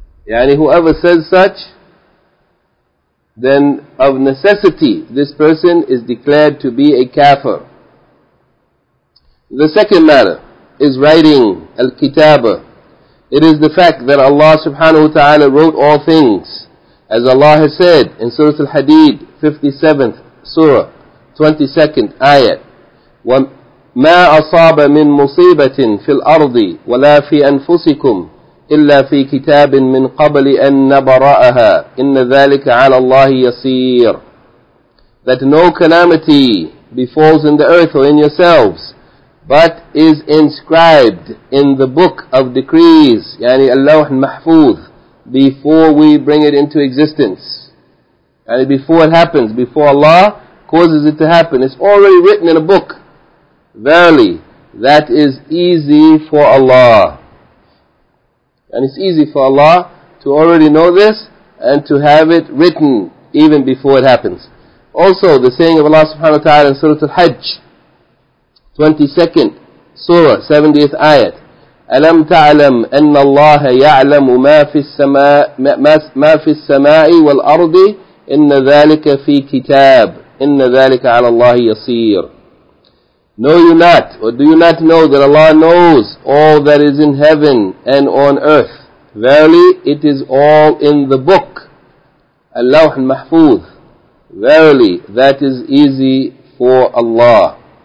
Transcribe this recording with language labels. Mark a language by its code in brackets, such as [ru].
[en] Yani whoever says such, then of necessity, this person is declared to be a kafir. The second matter is writing, al-kitabah. It is the fact that Allah subhanahu wa ta'ala wrote all things. As Allah has said in Surah Al-Hadid, 57th Surah, 22nd Ayat, [ar] وَمَا أَصَابَ مِن مُصِيبَةٍ فِي الْأَرْضِ وَلَا فِي أَنفُسِكُمْ إِلَّا فِي كِتَابٍ مِّن قَبْلِ أَن نَبَرَأَهَا إِنَّ ذَلِكَ عَلَى اللَّهِ يَصِيرٌ. [en] That no calamity befalls in the earth or in yourselves, but is inscribed in the book of decrees, yani al-lawh al-mahfuz, before we bring it into existence. And before it happens, before Allah causes it to happen, it's already written in a book. Verily, that is easy for Allah. And it's easy for Allah to already know this and to have it written even before it happens. Also, the saying of Allah subhanahu wa ta'ala in Surah Al-Hajj, 22nd Surah, 70th Ayat, [ar] أَلَمْ تَعْلَمْ أَنَّ اللَّهَ يَعْلَمُ مَا فِي السَّمَاءِ وَالْأَرْضِ إِنَّ ذَلِكَ فِي كِتَابٍ إِنَّ ذَلِكَ عَلَى اللَّهِ يَصِيرٌ. [en] Know you not, or do you not know that Allah knows all that is in heaven and on earth? Verily, it is all in the book, اللَّوْحِ الْمَحْفُوظِ. Verily, that is easy for Allah.